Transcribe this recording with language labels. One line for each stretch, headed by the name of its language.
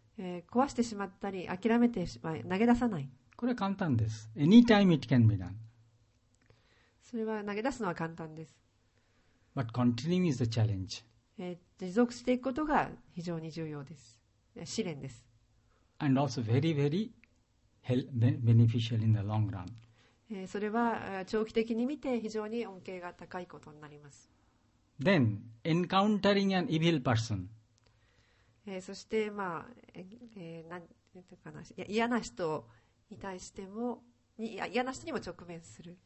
Japanese: 壊してしまったり諦めてしまい投げ出さない。これは簡単です。
English: Anytime it can be done.
Japanese: それは投げ出すのは簡単です。
English: But continuing is the challenge.
Japanese: 持続していくことが非常に重要です。試練です。
English: And also very very beneficial in the long run.
Japanese: それは長期的に見て非常に恩恵が高いことになります。
English: Then encountering an evil person.
Japanese: そして、まあ、なんていうかな、嫌な人に対しても、嫌な人にも直面する。